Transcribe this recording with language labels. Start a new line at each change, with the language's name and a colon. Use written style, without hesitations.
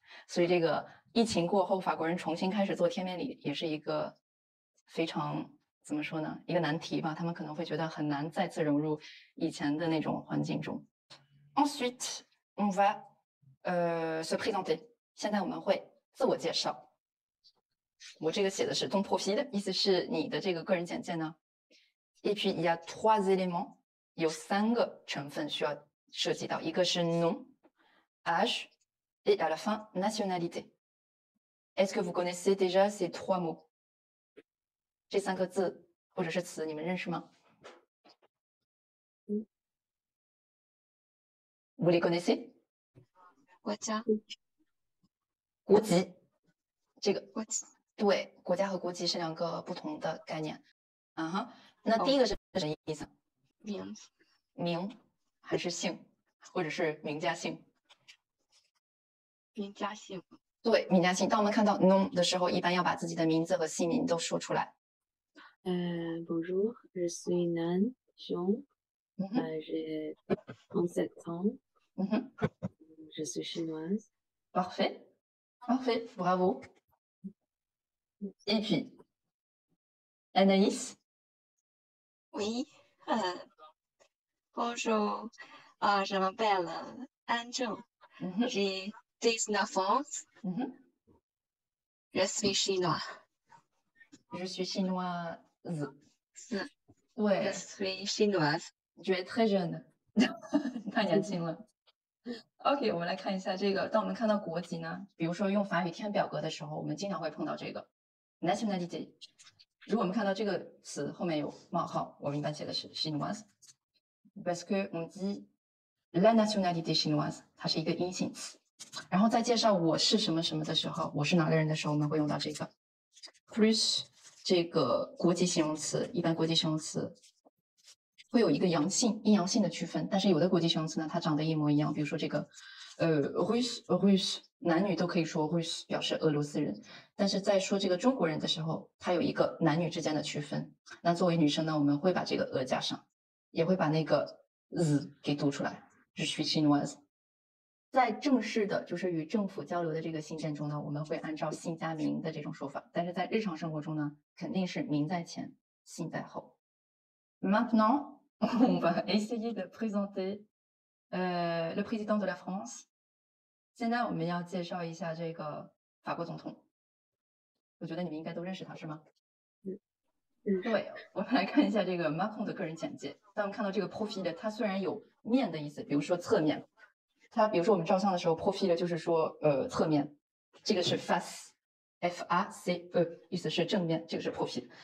Chinese: 所以这个疫情过后，法国人重新开始做贴面礼，也是一个非常怎么说呢，一个难题吧。他们可能会觉得很难再次融入以前的那种环境中。
French: Ensuite, on va se présenter。
Chinese: 现在我们会自我介绍。我这个写的是
French: ton profil
Chinese: 的，意思是你的这个个人简介呢。
French: Et puis, il y a trois éléments,
Chinese: 有三个成分需要涉及到，一个是
French: nom, âge, et à la fin, nationalité. Est-ce que vous connaissez déjà ces trois mots?
Chinese: 这三个字或者是词你们认识吗？
French: Vous les connaissez?
Chinese: 国家。国籍。这个。国籍。对，国家和国籍是两个不同的概念。那第一个是什么意思？名还是姓，或者是名家姓？名家姓。对，名家姓。当我们看到 nom 的时候，一般要把自己的名字和姓名都说出来。
French: Bonjour, je suis Nan Xiong, j'ai 37 ans, je suis chinoise. Parfait, parfait, bravo. Et puis, Anaïs? Oui, bonjour, je m'appelle Anjou, j'ai 19 ans, je suis chinois. Je suis chinoise. Oui. Je suis chinoise. Tu es très jeune,
Chinese: 太年轻了。 OK， 我们来看一下这个，当我们看到国籍呢，比如说用法语填表格的时候，我们经常会碰到这个 nationality。如果我们看到这个词后面有冒号，我们一般写的是 chinoise，
French: parce que on dit la nationalité chinoise，
Chinese: 它是一个阴性词。然后在介绍我是什么什么的时候，我是哪个人的时候，我们会用到这个 plus 这个国籍形容词。一般国籍形容词会有一个阳性、阴阳性的区分，但是有的国籍形容词呢，它长得一模一样。比如说这个Russe， 男女都可以说 Russe 表示俄罗斯人，但是在说这个中国人的时候，它有一个男女之间的区分。那作为女生呢，我们会把这个俄加上，也会把那个 z 给读出来，就是 chinoise。在正式的就是与政府交流的这个信件中呢，我们会按照姓加名的这种说法，但是在日常生活中呢，肯定是名在前姓在后。
French: Maintenant on va essayer de présenter le président de la France。
Chinese: 现在我们要介绍一下这个法国总统，我觉得你们应该都认识他，是吗？对，我们来看一下这个 Macron 的个人简介。当我们看到这个 profil， 他虽然有面的意思，比如说侧面，他比如说我们照相的时候 profil 就是说侧面，这个是 face， F-A-C-E， 意思是正面，这个是 profil。